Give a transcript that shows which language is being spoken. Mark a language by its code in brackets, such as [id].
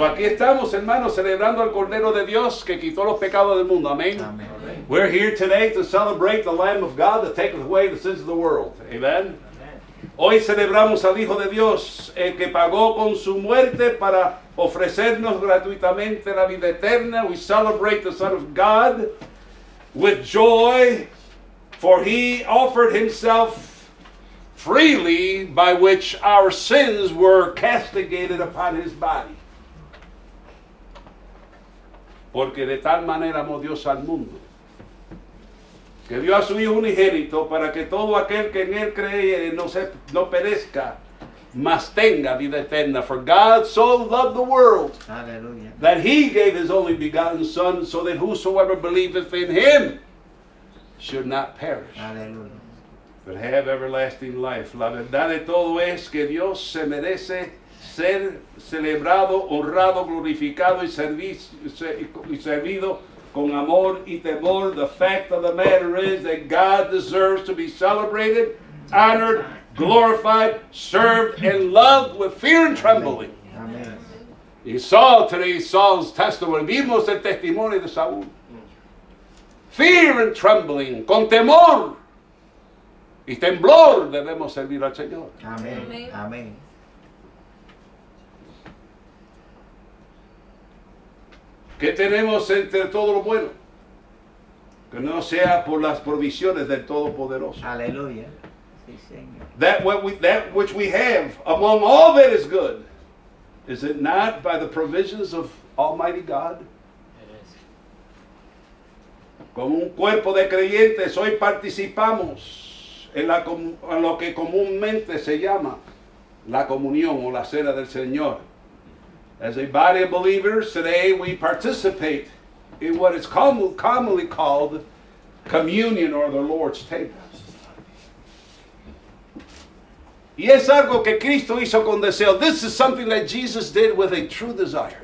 [es] Aquí estamos, hermanos, celebrando al Cordero de Dios que quitó los pecados del mundo. Amén. [en] Amen. We're here today to celebrate the Lamb of God that taketh away the sins of the world. Amen. Amen. [es] Hoy celebramos al Hijo de Dios, el que pagó con su muerte para ofrecernos gratuitamente la vida eterna. [en] We celebrate the Son of God with joy, for he offered himself freely, by which our sins were castigated upon his body. [es] Porque de tal manera amó Dios al mundo, que dio a su Hijo unigénito para que todo aquel que en él creyere no perezca, mas tenga vida eterna. [en] For God so loved the world, hallelujah, that he gave his only begotten Son, so that whosoever believeth in him should not perish, hallelujah, but have everlasting life. [es] La verdad de todo es que Dios se merece ser celebrado, honrado, glorificado y servido con amor y temor. [en] The fact of the matter is that God deserves to be celebrated, honored, glorified, served, and loved with fear and trembling. Amen. You saw today Saul's testimony. [es] Vimos el testimonio de Saúl. [en] Fear and trembling, [es] con temor y temblor debemos servir al Señor. [en] Amen. Amen. [es] ¿Qué tenemos entre todo lo bueno? Que no sea por las provisiones del Todopoderoso. Aleluya. Sí, Señor. [en] That which we have among all that is good, is it not by the provisions of Almighty God? It is. [es] Como un cuerpo de creyentes, hoy participamos en lo que comúnmente se llama la comunión o la cena del Señor. [en] As a body of believers, today we participate in what is commonly called communion or the Lord's table. [es] Y es algo que Cristo hizo con deseo. [en] This is something that Jesus did with a true desire.